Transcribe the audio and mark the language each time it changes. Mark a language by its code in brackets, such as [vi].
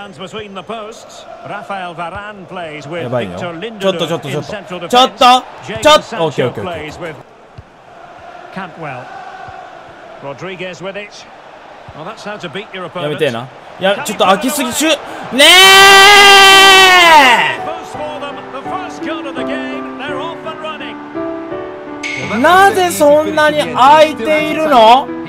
[ja] やばいよ、ちょっとちょっとちょっとちょっとちょっと、 OK OK OK、 [en] CantwellRodriguez with it. Well, that's how to beat your opponent. [ja] やめてえな。いや、ちょっと飽きすぎ、シュッ、ねえ！なぜそんなに空いているの？